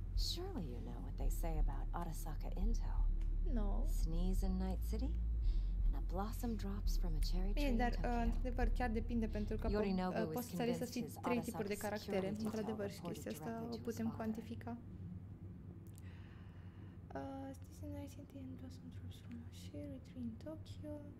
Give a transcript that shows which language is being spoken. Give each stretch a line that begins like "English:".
English: Surely you know what they say about Arasaka Intel. No. Sneeze in Night City? A blossom drops from a cherry tree.
Romanian: Bine, dar într-adevăr chiar depinde, pentru că poți să alegi să fii trei tipuri de caractere. Într-adevăr, și chestia asta o putem cuantifica.
English: This is Night City and blossom drops from a cherry tree in Tokyo.